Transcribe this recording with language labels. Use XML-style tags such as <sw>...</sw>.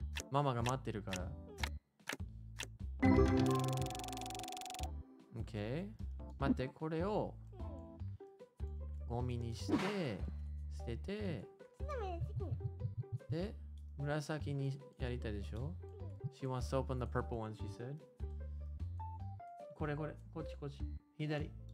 <ja>ママが待ってるから。</ja> <en>OK。</en> <ja>待って、これをゴミにして、捨てて、で、紫にやりたいでしょ。</ja> <en>She wants to open the purple one, she said.</en> <ja>これこれ、こっちこっち、左。</ja>